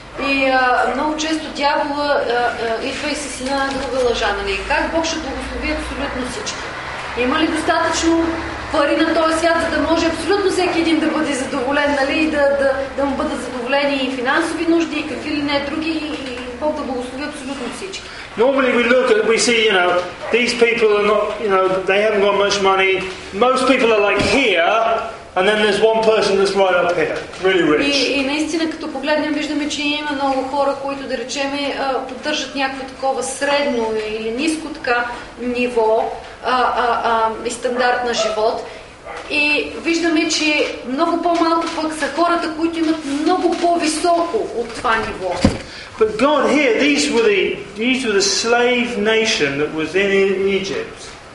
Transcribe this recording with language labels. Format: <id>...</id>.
<bg>И много често дявола идва и с една друга лъжа, нали? Как Бог ще благослови абсолютно всички? Има ли достатъчно пари на този свят, за да може абсолютно всеки един да бъде задоволен, нали? И да му бъдат задоволени и финансови нужди, и какви ли не други, и Бог да благослови абсолютно всички.</bg> <en>Normally we look at, we see, you know, these people are not, you know, they haven't got much money. Most people are like here, and then there's one person that's right up here, really rich.</en> <bg>И наистина, като погледнем, виждаме, че има много хора, които, да речем, поддържат някакво такова средно или ниско така ниво и стандарт на живот. И виждаме, че много по-малко пък са хората, които имат много по-високо от това ниво.</bg> <en>But God here, these were the slave nation that was in Egypt.</en>